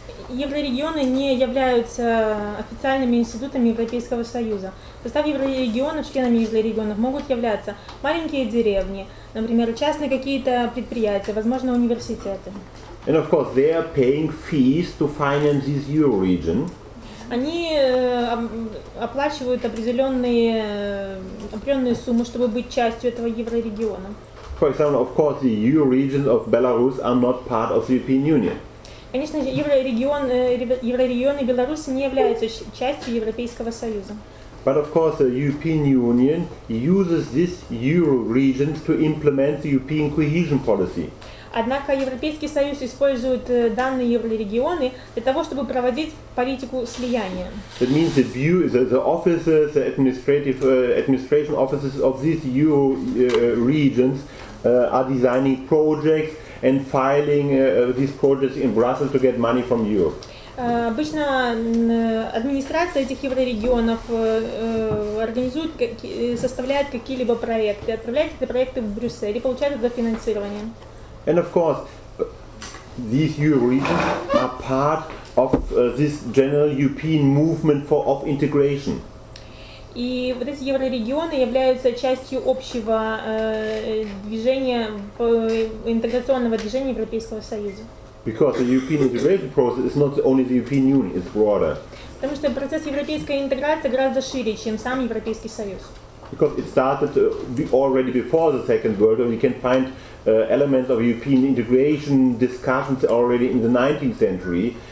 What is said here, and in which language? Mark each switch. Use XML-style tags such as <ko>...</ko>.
<ru>Еврорегионы не являются официальными институтами Европейского Союза. В состав еврорегионов, членами еврорегионов могут являться маленькие деревни, например, частные какие-то предприятия, возможно, университеты.</ru> <en>And of course, they are paying fees to finance this Euro region.</en> <ru>Они оплачивают определенные суммы, чтобы быть частью этого еврорегиона.</ru> <en>For example, of course, the Euro regions of Belarus are not part of the European Union.</en> <ru>Конечно, еврорегионы Беларуси не являются частью Европейского Союза.</ru> <en>But of course, the European Union uses these Euro regions to implement the European cohesion policy.</en> <ru>Однако Европейский Союз использует данные еврорегионы для того, чтобы проводить политику слияния.</ru> <en>That means the offices, the administration offices of these Euro regions are designing projects and filing these projects in Brussels to get money from Europe.</en> <ru>Обычно администрация этих еврорегионов организует, составляет какие-либо проекты, отправляет эти проекты в Брюссель и получает за финансирование.</ru> <en>And of course, these Euro regions are part of this general European movement of integration.</en> <ru>И вот эти еврорегионы являются частью общего движения, интеграционного движения Европейского Союза.</ru> <en>Because the European integration process is not only the European Union, it's broader.</en> <ru>Потому что процесс европейской интеграции гораздо шире, чем сам Европейский Союз.</ru> <en>Because it started already before the Second World War, we can find elements of European integration discussions already in the 19th century.</en>